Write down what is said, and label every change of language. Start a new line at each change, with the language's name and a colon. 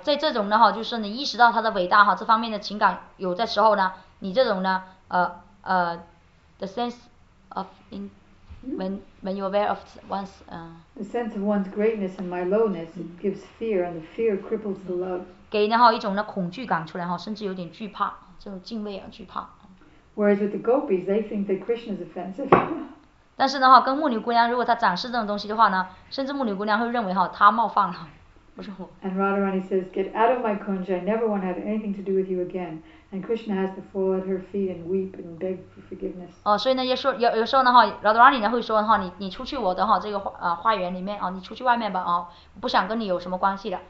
Chinese: 在这种呢就是你意识到他的伟大这方面的情感有的时候呢你这种呢
English: the sense of when you're aware of one's the sense of one's greatness and my lowness it gives fear and the fear cripples the love
Chinese: 给呢一种呢恐惧感出来甚至有点惧怕这种敬畏惧怕
English: whereas with the gopis they think that Krishna's offensive
Chinese: 但是呢跟牧女姑娘如果她展示这种东西的话呢甚至牧女姑娘会认为她冒犯了
English: And Radharani says, get out of my kunja, I never want to have anything to do with you again. And Krishna has to fall at her feet and weep and beg for forgiveness.
Chinese: 哦，所以呢，有时候呢，Radharani 呢会说哈，你出去我的哈这个花园里面啊，你出去外面吧啊，不想跟你有什么关系了。